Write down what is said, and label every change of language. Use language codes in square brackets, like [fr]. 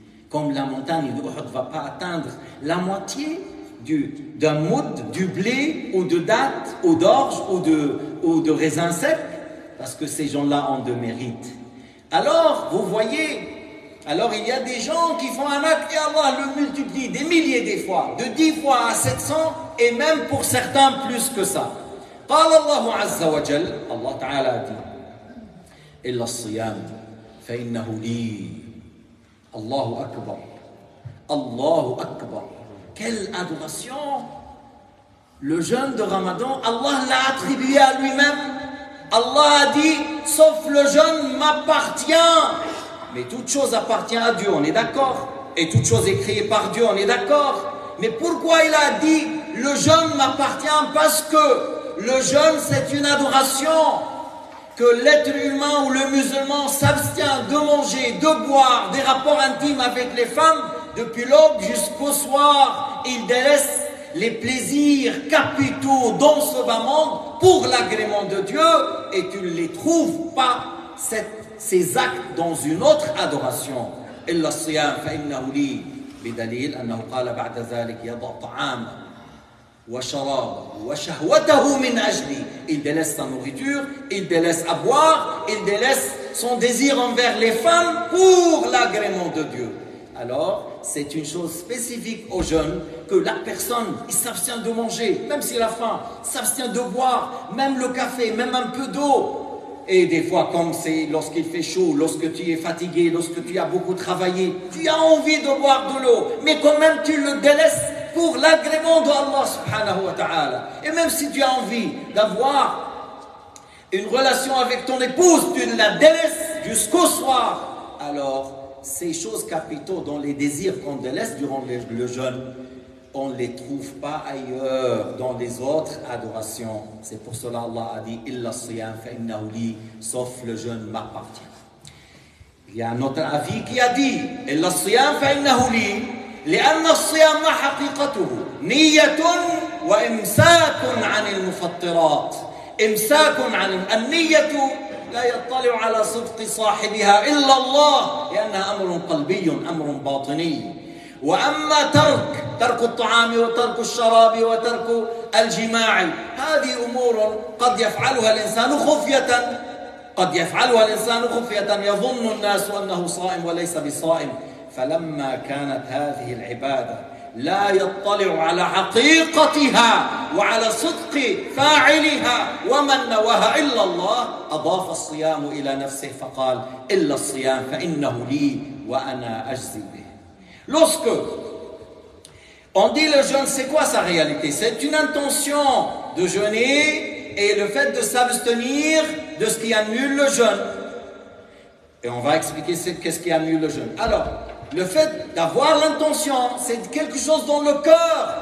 [fr] Comme la montagne de Uhud ne va pas atteindre la moitié d'un moud, du blé ou de date ou d'orge ou de raisin sec, parce que ces gens-là ont de mérite. Alors, vous voyez, alors il y a des gens qui font un acte et Allah le multiplie des milliers des fois, de 10 fois à 700 et même pour certains plus que ça. [ar] قال الله عز وجل, [fr] Allah Ta'ala dit, [ar] إلا الصيام فإنه لي. الله أكبر, الله أكبر. [fr] Quelle adoration! Le jeûne de Ramadan, Allah l'a attribué à lui-même. Allah a dit, sauf le jeûne m'appartient. Mais toute chose appartient à Dieu, on est d'accord. Et toute chose est créée par Dieu, on est d'accord. Mais pourquoi il a dit, le jeûne m'appartient? Parce que le jeûne, c'est une adoration. Que l'être humain ou le musulman s'abstient de manger, de boire, des rapports intimes avec les femmes, depuis l'aube jusqu'au soir, il délaisse les plaisirs capitaux dans ce bas monde pour l'agrément de Dieu, et tu ne les trouves pas, ces actes, dans une autre adoration. [ar] إلا الصيام فإنه لي بدليل أنه قال بعد ذلك يضع طعام وشراب وشهوته من أجلي. [fr] Il délaisse sa nourriture, il délaisse à boire, il délaisse son désir envers les femmes pour l'agrément de Dieu. Alors, c'est une chose spécifique au jeûne que la personne, il s'abstient de manger, même s'il a faim, s'abstient de boire, même le café, même un peu d'eau. Et des fois, comme c'est lorsqu'il fait chaud, lorsque tu es fatigué, lorsque tu as beaucoup travaillé, tu as envie de boire de l'eau, mais quand même tu le délaisses pour l'agrément d'Allah subhanahu wa ta'ala. Et même si tu as envie d'avoir une relation avec ton épouse, tu la délaisses jusqu'au soir. Alors, ces choses capitaux dont les désirs qu'on délaisse durant le jeûne, on ne les trouve pas ailleurs dans les autres adorations. C'est pour cela Allah a dit [ar] إِلَّا الصِّيَامَ فَإِنَّهُ لِي, [fr] sauf le jeûne m'appartient. Il y a un autre avis qui a dit [ar] إِلَّا الصِّيَامَ فَإِنَّهُ لِي لِأَنَّ الصِّيَامَ حَقِيقَتُهُ نِيَّةٌ وَإِمْسَاكٌ عَنِ الْمُفَطِّرَاتِ. إِمْسَاكٌ عَنِ النِّيَّةُ لا يطلع على صدق صاحبها إلا الله لأنها أمر قلبي أمر باطني. وأما ترك الطعام وترك الشراب وترك الجماع، هذه أمور قد يفعلها الإنسان خفية، قد يفعلها الإنسان خفية، يظن الناس أنه صائم وليس بصائم. فلما كانت هذه العبادة لا يطلع على حقيقتها وعلى صدق فاعلها ومن نواها إلا الله، أضاف الصيام إلى نفسه فقال: إلا الصيام فإنه لي وأنا أجزي به. [fr] Lorsque on dit le jeûne, c'est quoi sa réalité? C'est une intention de jeûner et le fait de s'abstenir de ce qui annule le jeûne. Et on va expliquer qu'est-ce qui annule le jeûne. Alors, le fait d'avoir l'intention, c'est quelque chose dans le cœur.